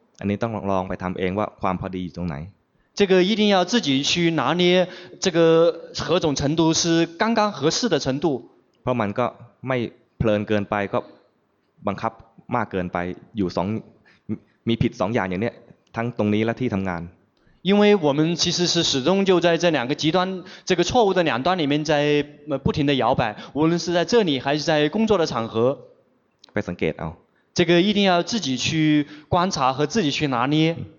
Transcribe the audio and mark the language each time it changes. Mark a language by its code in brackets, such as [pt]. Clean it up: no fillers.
[th] อันนี้ต้องลองไปทำเองว่าความพอดีอยู่ตรงไหน [zh] 这个一定要自己去拿捏这个何种程度是刚刚合适的程度 [th] เพราะมันก็ไม่เพลินเกินไปก็บังคับมากเกินไปอยู่สองมีผิดสองอย่างอย่างเนี้ยทั้งตรงนี้และที่ทำงาน [zh] 因为我们其实是始终就在这两个极端这个错误的两端里面在不停的摇摆无论是在这里还是在工作的场合 [th] ไปสังเกตเอา [zh] 这个一定要自己去观察和自己去拿捏。